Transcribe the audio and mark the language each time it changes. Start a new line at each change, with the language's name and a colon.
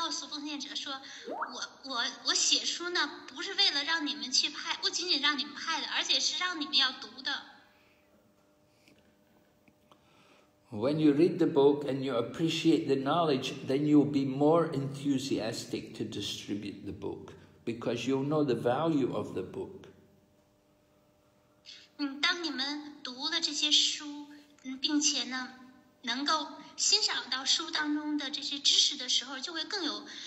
Chinese: 奉献者说，我写书呢，不是为了让你们去派，不仅仅让你们派的，而且是让你们要读的。
English: When you read the book and you appreciate the knowledge, then you'll be more enthusiastic to distribute the book because you'll know the value of the book.
Chinese: 当你们读了这些书，并且呢，能够欣赏到书当中的这些知识的时候，就会更有。